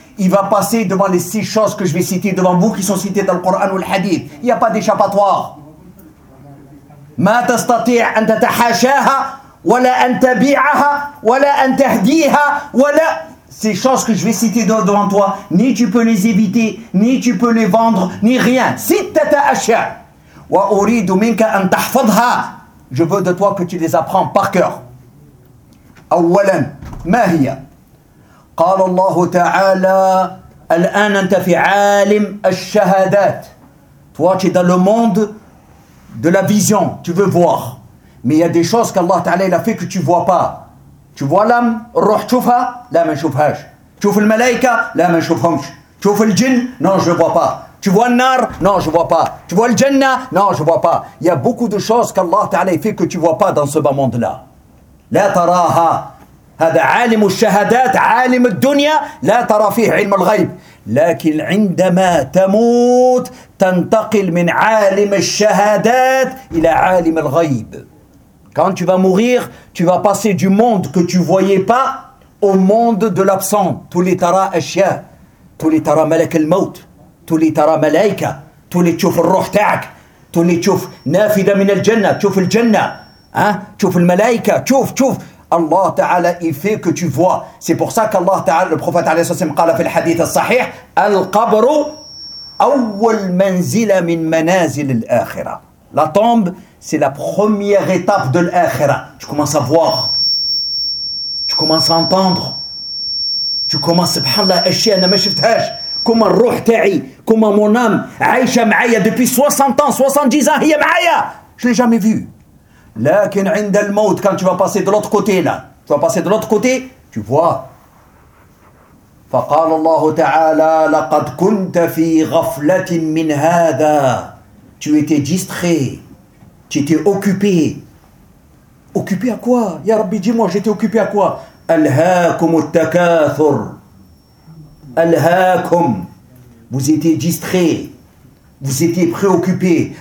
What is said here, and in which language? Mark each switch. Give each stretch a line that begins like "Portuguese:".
French: Il va passer devant les six choses que je vais citer devant vous, qui sont citées dans le Coran ou le Hadith. Il n'y a pas d'échappatoire.
Arabic: ما تستطيع أن تتحاشاها ولا أن تبيعها ولا أن تهديها ولا.
French: ces choses que je vais citer devant toi, ni tu peux les éviter, ni tu peux les vendre, ni rien. Je veux de toi que tu les apprends par cœur.
Arabic: أولاً ما هي؟ قال الله تعالى الآن أنت في عالم الشهادات.
French: Toi tu es dans le monde de la vision, tu veux voir. Mais il y a des choses qu'Allah تعالى il a fait que tu vois pas. Tu vois l'âme,
Arabic: الروح تشوفها؟ لا ما نشوفهاش.
French: Tu vois
Arabic: الملائكة؟ لا ما نشوفهمش.
French: Tu vois الجن؟ Non je ne vois pas. Tu vois النار؟ Non je ne vois pas. Tu vois الجنة؟ Non je ne vois pas. Il y a beaucoup de choses qu'Allah تعالى il fait que tu vois pas dans ce bas monde là.
Arabic: لا تراها هذا عالم الشهادات عالم الدنيا لا ترى فيه علم الغيب لكن عندما تموت تنتقل من عالم الشهادات إلى عالم الغيب.
French: Quand tu vas mourir, tu vas passer du monde que tu voyais pas au monde de l'absent.
Arabic: تولي ترى أشياء تولي ترى ملك الموت تولي ترى ملائكة تولي تشوف الروح تاعك تولي تشوف نافذة من الجنة تشوف الجنة.
French: Tu vois les malaïka, tu Allah Ta'ala il fait que tu vois. C'est pour ça qu'Allah Ta'ala, le prophète alayhi salam,
Arabic: قال في الحديث الصحيح القبر أول منزل من منازل الآخرة.
French: La tombe, c'est la première étape de l'akhira. Tu commences à voir, tu commences à entendre, tu commences, subhanallah,
Arabic: أشياء أنا ما شفتهاش.
French: Comment
Arabic: الروح تاعي,
French: comment mon âme
Arabic: عايشة معايا
French: depuis 60 ans, 70 ans,
Arabic: هي معايا.
French: Je l'ai jamais vu.
Arabic: لكن عند الموت
French: quand tu vas passer de l'autre côté là, tu vas passer de l'autre côté, tu vois.
Arabic: فقال الله تعالى لقد كنت في غفلة من هذا.
French: Tu étais distrait, tu étais occupé. Occupé à quoi? Ya Rabbi, dis-moi, j'étais occupé à quoi?
Arabic: الهاكم التكاثر. الهاكم.
French: Vous étiez distrait. Vous étiez préoccupé.